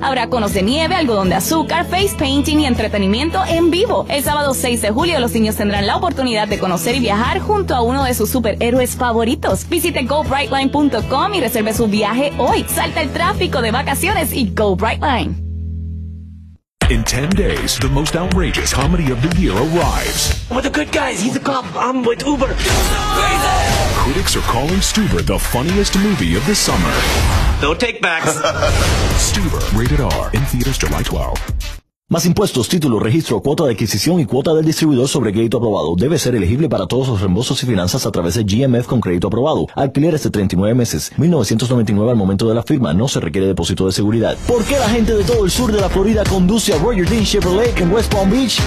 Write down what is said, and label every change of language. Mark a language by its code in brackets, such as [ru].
[es] Habrá conos de nieve, algodón de azúcar, face painting y entretenimiento en vivo. El sábado 6 de julio los niños tendrán la oportunidad de conocer y viajar junto a uno de sus superhéroes favoritos. Visite GoBrightline.com y reserve su viaje hoy. Salta el tráfico de vacaciones y Go Brightline. [en] In 10 days, the most outrageous comedy of the year arrives. We're the good guys. He's a cop. I'm with Uber. No! Critics are calling Stuber the funniest movie of the summer. No take backs. Stuber, rated R, in theaters July 12th. [es] Más impuestos, título, registro, cuota de adquisición y cuota del distribuidor sobre crédito aprobado. Debe ser elegible para todos los reembolsos y finanzas a través de GMF con crédito aprobado. Alquileres de 39 meses, 1999 al momento de la firma. No se requiere depósito de seguridad. ¿Por qué la gente de todo el sur de la Florida conduce a Roger Dean Chevrolet en West Palm Beach?